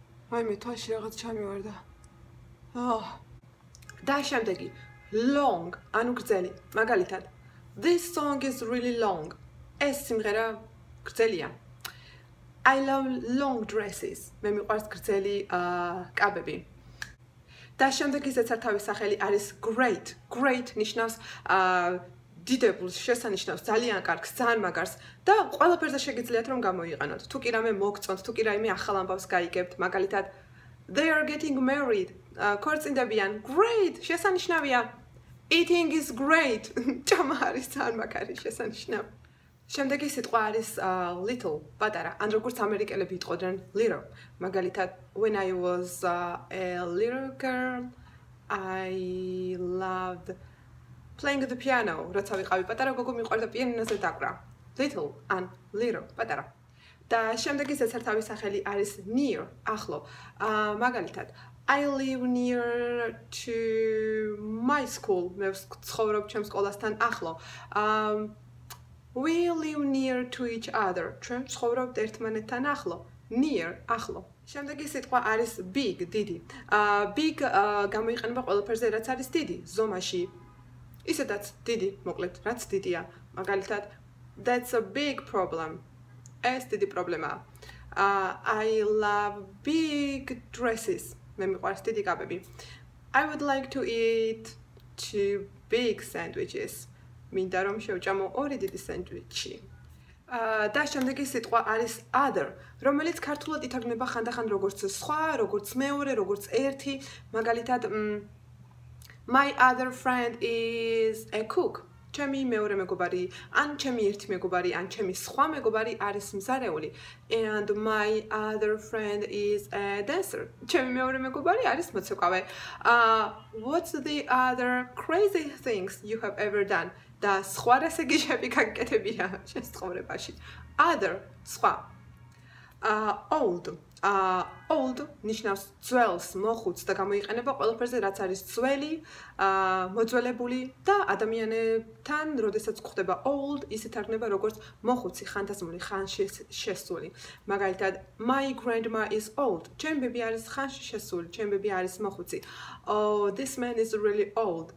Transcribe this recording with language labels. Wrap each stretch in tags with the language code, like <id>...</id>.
<ka>აი მე თვაში რაღაც ჩამივარდა. და შემდეგი, long, ანუ გრძელი.</ka> <en>მაგალითად, this song is really long.</en> <ka>ეს სიმღერა გრძელია.</ka> <en>I love long dresses.</en> <ka>მე მიყვარს გრძელი კაბები. და შემდეგი ზეცართავის სახელი არის great. Great ნიშნავს დიდებულს, შესანიშნავს, ძალიან კარგს, ძალიან მაგარს და ყველაფერზე შეგიძლიათ რომ გამოიყენოთ. თუ კი რამე მოგწონთ, თუ კი რამე ახალ ამბავს გაიგებთ, მაგალითად,</ka> <en>they are getting married.</en> <ka>ქორწინდებიან.</ka> <en>Great, შესანიშნავია. Eating is great.</en> <ka>ჭამა არის ძალიან მაგარი, შესანიშნავ. შემდეგი სიტყვა არის little, პატარა, ან როგორც ამერიკელები იტყოდნენ little.</ka> <en>მაგალითად, when I was a little girl, I loved playing the piano.</en> <ka>როცა ვიყავი პატარა, გოგო მიყვარდა პიანინოზე დაკვრა.</ka> <en>Little and little, პატარა.</en> <ka>Და შემდეგი ზეცართავის სახელი არის near, ახლო.</ka> <en>მაგალითად, I live near to my school.</en> <ka>მე ვცხოვრობ ჩემს სკოლასთან ახლო.</ka> <en>We live near to each other.</en> <ka>ჩვენ ვცხოვრობთ ერთმანეთთან ახლო. Near, ახლო. შემდეგი სიტყვა არის big, დიდი. Big გამოიყენება ყველაფერზე, რაც არის დიდი, ზომაში. ისედაც დიდი, მოკლედ, რაც დიდია.</ka> <en>მაგალითად, that's a big problem.</en> <ka>ეს დიდი პრობლემაა.</ka> <en>I love big dresses.</en> <ka>მე მიყვარს დიდი კაბები.</ka> <en>I would like to eat two big sandwiches.</en> <ka>მინდა რომ შევჭამო ორი დიდი სენდვიჩი. Და შემდეგი სიტყვა არის other, რომელიც ქართულად ითარგმნება ხანდახან როგორც სხვა, როგორც მეორე, როგორც ერთი.</ka> <en>მაგალითად, my other friend is a cook.</en> <ka>ჩემი მეორე მეგობარი, ან ჩემი ერთი მეგობარი, ან ჩემი სხვა მეგობარი არის მზარეული.</ka> <en>And my other friend is a dancer.</en> <ka>ჩემი მეორე მეგობარი არის მოცეკვავე.</ka> <en>What's the other crazy things you have ever done?</en> <ka>და სხვა რასები გაკეთებია შენს ცხოვრებაში? Other, სხვა. Old. Old ნიშნავს ძველს, მოხუც და გამოიყენება ყველაფერზე, რაც არის ძველი, მოძველებული და ადამიანებთან, როდესაც გვხვდება old, ის ითარგმნება როგორც მოხუცი, ხანდაზმული, ხანში შესული.</ka> <en>მაგალითად, my grandma is old.</en> <ka>ჩემი ბები არის ხანში შესული, ჩემი ბები არის მოხუცი.</ka> <en>Oh, this man is really old.</en>